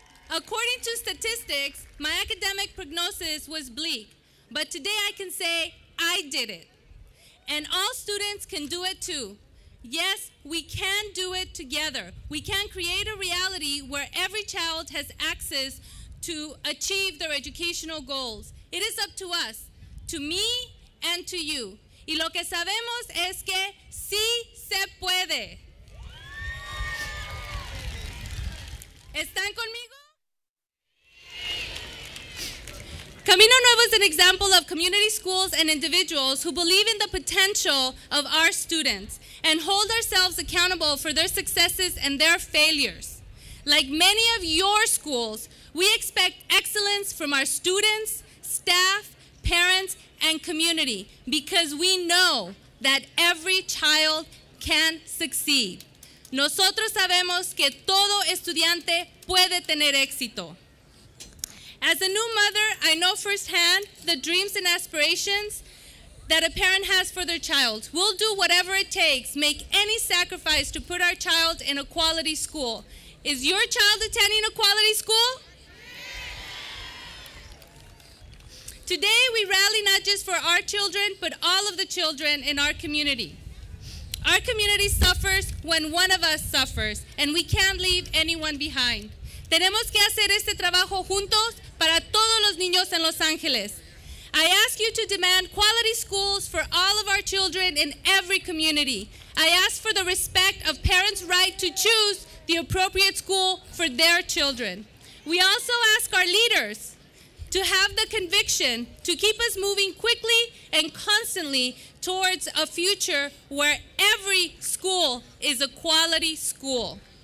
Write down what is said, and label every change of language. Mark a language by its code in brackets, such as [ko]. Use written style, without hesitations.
[en] According to statistics, my academic prognosis was bleak, but today I can say I did it. And all students can do it too. Yes, we can do it together. We can create a reality where every child has access to achieve their educational goals. It is up to us, to me and to you. [es] Y lo que sabemos es que sí se puede. ¿Están conmigo? [en] Camino Nuevo is an example of community schools and individuals who believe in the potential of our students and hold ourselves accountable for their successes and their failures. Like many of your schools, we expect excellence from our students, staff, parents, and community because we know that every child can succeed. [es] Nosotros sabemos que todo estudiante puede tener éxito. [en] As a new mother, I know firsthand the dreams and aspirations that a parent has for their child. We'll do whatever it takes, make any sacrifice to put our child in a quality school. Is your child attending a quality school? Today, we rally not just for our children, but all of the children in our community. Our community suffers when one of us suffers, and we can't leave anyone behind. [es] Tenemos que hacer este trabajo juntos para todos los niños en Los Ángeles. [en] I ask you to demand quality schools for all of our children in every community. I ask for the respect of parents' right to choose the appropriate school for their children. We also ask our leaders to have the conviction to keep us moving quickly and constantly towards a future where every school is a quality school.